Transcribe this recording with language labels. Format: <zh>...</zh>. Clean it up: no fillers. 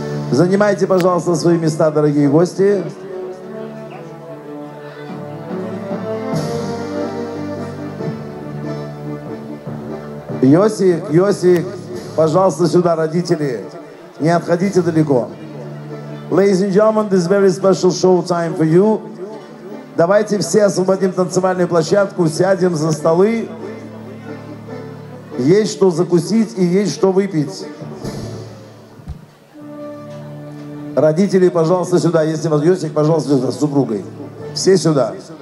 <ru>Занимайте, пожалуйста, свои места, дорогие гости. Йосик, Йосик, пожалуйста, сюда, родители. Не отходите далеко.</ru> <en>Ladies and gentlemen, this is very special show time for you.</en> <ru>Давайте все освободим танцевальную площадку, сядем за столы. Есть что закусить и есть что выпить. Родители, пожалуйста, сюда. Если у вас Йосик, пожалуйста, сюда, с супругой. Все сюда.</ru>